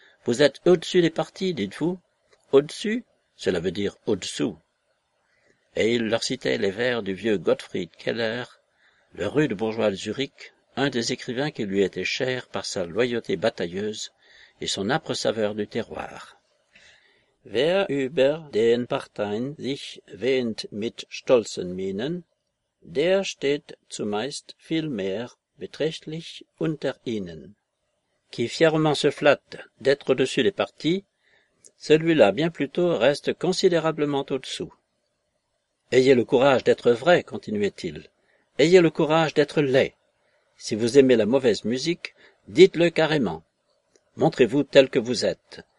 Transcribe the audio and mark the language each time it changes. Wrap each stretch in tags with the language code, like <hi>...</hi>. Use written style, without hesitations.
<fr>Vous êtes au-dessus des partis, dites-vous? Au-dessus, cela veut dire au-dessous. Et il leur citait les vers du vieux Gottfried Keller, le rude bourgeois de Zurich, un des écrivains qui lui était cher par sa loyauté batailleuse et son âpre saveur du terroir.</fr> <de>Wer über den Parteien sich wähnt mit stolzen Mienen, der steht zumeist viel mehr beträchtlich unter ihnen.</de> <fr>Qui fièrement se flatte d'être au-dessus des partis, celui-là bien plutôt reste considérablement au-dessous. Ayez le courage d'être vrai, continuait-il. Ayez le courage d'être laid. Si vous aimez la mauvaise musique, dites-le carrément. Montrez-vous tel que vous êtes.</fr>